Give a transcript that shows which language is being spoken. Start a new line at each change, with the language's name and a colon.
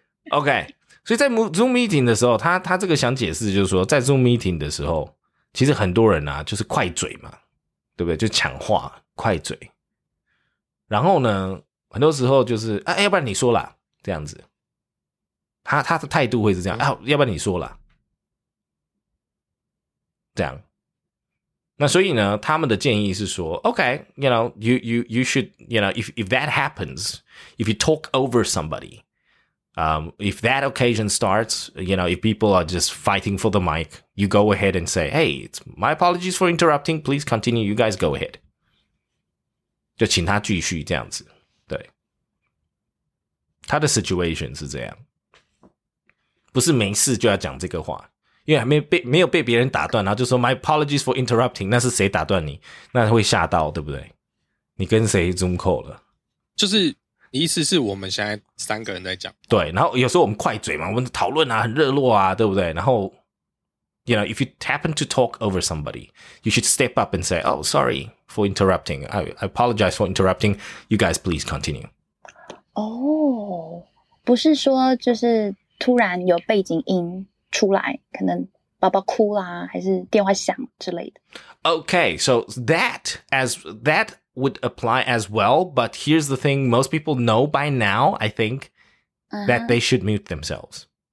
Chinese: OK, 所以在 Zoom meeting 的时候，他这个想解释就是说，在 Zoom meeting 的时候，其实很多人啊，就是快嘴嘛，对不对？就抢话，快嘴。然后呢，很多时候就是，要不然你说啦，这样子。他的态度会是这样、要不然你说啦，这样。那所以呢，他们的建议是说
English: ，OK, you know, you should, you know, if that happens, if you talk over somebody, if that occasion starts, you know, if people are just fighting for the mic, you go ahead and say, hey, it's my apologies for interrupting. Please continue. You guys go ahead.
Chinese: 就请他继续这样子。对，他的 situation 是这样。不是没事就要讲这个话，因为还没有被别人打断，然后就说
English: My apologies for interrupting，
Chinese: 那是谁打断你？那会吓到，对不对？你跟谁 Zoom call 了？就是意思是我们现在三个人在讲，对。然后有时候我们快嘴嘛，我们讨论啊，很热络啊，对不对？然后
English: ，you know，if you happen to talk over somebody，you should step up and say，oh sorry for interrupting，I apologize for interrupting，you guys please continue。
Chinese: 哦，不是说就是。突然有背景音出来，可能宝宝哭啦，还是电话响之类的。
English: Okay, so that would apply as well. But here's the thing: most people know by now, I think, that they should mute themselves.